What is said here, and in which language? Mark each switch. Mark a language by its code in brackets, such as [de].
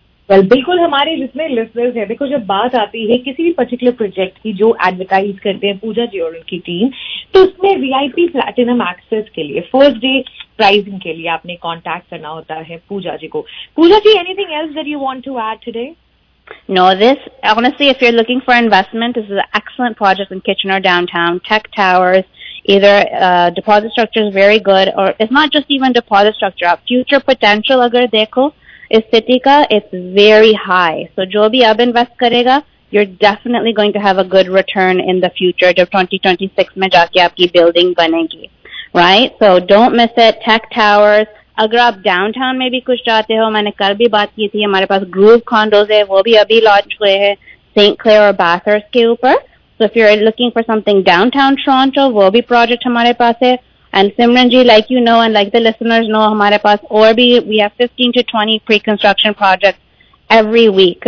[hi] Well बिल्कुल हमारे जितने लिसनर्स हैं, देखो जब बात आती है किसी भी पर्टिकुलर प्रोजेक्ट की जो एडवर्टाइज करते हैं पूजा जी और उनकी टीम, तो उसमें वीआईपी प्लैटिनम एक्सेस के लिए फर्स्ट डे प्राइजिंग के लिए आपने कॉन्टैक्ट करना होता है पूजा जी को. [en] Puja ji, anything else that you want to add today? No, this, honestly, if you're looking for investment, this is an excellent project in Kitchener downtown. Tech towers, either deposit structure is very good, or it's not just even deposit structure. Future potential, [hi] agar dekho, is city ka, [en] it's very high. So, [hi] jo bhi ab invest karega, [en] you're definitely going to have a good return in the future. [hi] Jab 2026 mein jaake aapki building banegi, right? [en] So, don't miss it. Tech towers. [hi] अगर आप downtown में भी कुछ चाहते हो, मैंने कल भी बात की थी, हमारे पास ग्रूव कॉन्डोज है, वो भी अभी लॉन्च हुए हैं सेंट क्लेयर और बाथर्स के ऊपर. [en] so if you are looking for something downtown Toronto, [hi] वो भी प्रोजेक्ट हमारे पास है. [en] and Simran ji, like you know and like the listeners know, [hi] हमारे पास और भी, [en] We have 15 to 20 pre construction project every week.